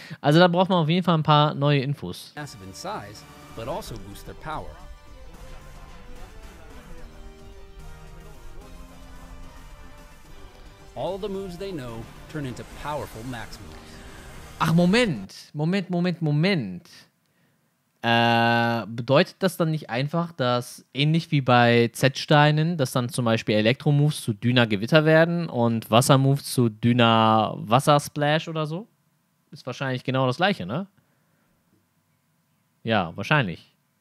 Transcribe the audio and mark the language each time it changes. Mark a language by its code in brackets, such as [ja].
[de] Also da braucht man auf jeden Fall ein paar neue Infos. [en] Massive in size, but also boost their power. All the moves they know turn into powerful max moves. [de] Ach Moment, Moment, Moment, Moment. Bedeutet das dann nicht einfach, dass ähnlich wie bei Z-Steinen, dass dann zum Beispiel Elektro-Moves zu Dyna-Gewitter werden und Wasser-Moves zu Dyna-Wassersplash oder so? Ist wahrscheinlich genau das gleiche, ne? Ja, wahrscheinlich.